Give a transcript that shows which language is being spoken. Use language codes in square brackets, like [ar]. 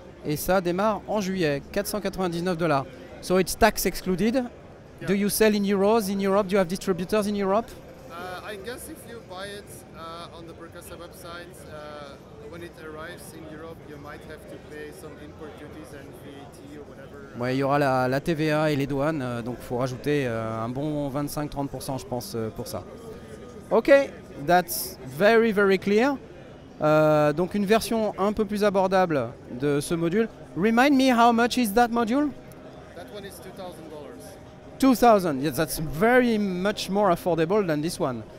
[fr] Et ça démarre en juillet, $499. [en] So it's tax excluded. Yeah. Do you sell in euros in Europe? Do you have distributors in Europe? I guess if you buy it on the Percussa website, when it arrives in Europe, you might have to pay some import duties and VAT or whatever. [fr] Ouais, il y aura la TVA et les douanes, donc il faut rajouter un bon 25-30% je pense pour ça. [en] Ok, that's very very clear. [fr] Donc une version un peu plus abordable de ce module. [en] Remind me how much is that module? That one is $2,000. $2,000, that's very much more affordable than this one.